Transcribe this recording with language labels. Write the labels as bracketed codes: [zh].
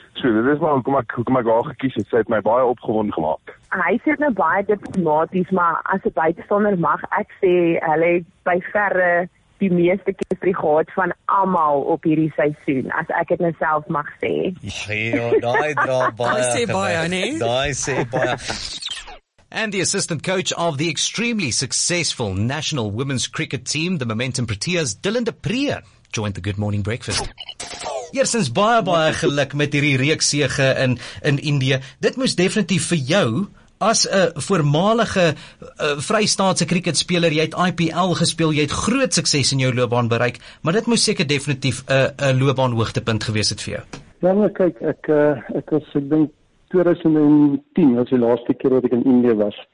[af] So dit is maar hoekom ek haar gekies het, sy het my baie opgewonde gemaak. Hy sê nou baie diplomaties, maar as 'n buitenstander mag ek sê, hulle het by verre die meeste kiesprie gehad van almal op hierdie seisoen, as ek het myself mag sê. Ja, daai dra baie. Sê baie, nee. Daai sê baie. [en] And the assistant coach of the extremely successful national women's cricket team, the Momentum Proteas, Dylan de Preer, joined the Good Morning Breakfast. [af] Eersens, baie, baie geluk met hierdie reeks sege in India. Dit moes definitief vir jou, as 'n voormalige Vrystaatse cricketspeler, jy het IPL gespeel, jy het groot sukses in jou loopbaan bereik, maar dit moes seker definitief 'n loopbaan hoogtepunt gewees het vir jou. Wel, kyk, ek dink 2010 was die laaste keer wat ek in India was.